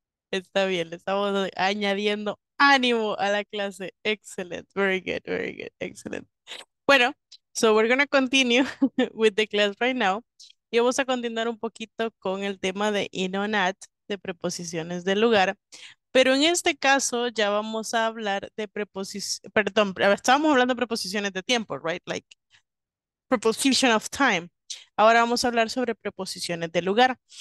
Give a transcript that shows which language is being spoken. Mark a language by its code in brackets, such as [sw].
[es] Está bien, le estamos añadiendo ánimo a la clase. Excelente, [en] very good, very good, [es] excelente. Bueno, [en] so we're gonna continue with the class right now. [es] Y vamos a continuar un poquito con el tema de in on at, de preposiciones de lugar. Pero en este caso ya vamos a hablar de preposiciones, perdón, estábamos hablando de preposiciones de tiempo, right? [en] Like preposition of time. [es] Ahora vamos a hablar sobre preposiciones de lugar.